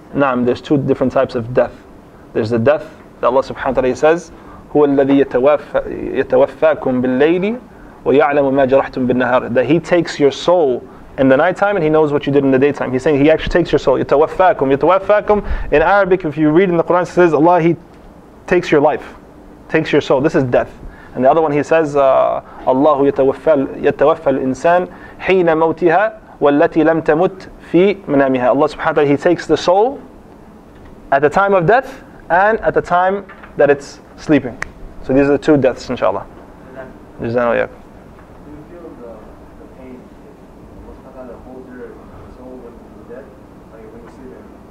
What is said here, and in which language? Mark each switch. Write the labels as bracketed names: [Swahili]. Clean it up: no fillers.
[English] No, there's two different types of death. There's the death that Allah subhanahu wa ta'ala says, [Arabic] هو الذي يتوفاكم بالليل ويعلم ما جرحتم بالنهار. [English] That He takes your soul in the night time and He knows what you did in the daytime. He's saying He actually takes your soul. [Arabic] يتوفاكم. [English] يتوفاكم in Arabic, if you read in the Quran, it says Allah, He takes your life, takes your soul. This is death. And the other one, He says, [Arabic] اللَّهُ يَتَوَفَّى الْإِنسَانِ حِينَ مَوْتِهَا وَالَّتِي لَمْ تَمُتْ فِي مَنَامِهَا. [English] Allah subhanahu wa ta'ala, He takes the soul at the time of death and at the time that it's sleeping. So these are the two deaths, inshallah. Jazan al-Yaq. Do you feel the pain? What's the kind of hold your soul when you're dead? Like when you see them?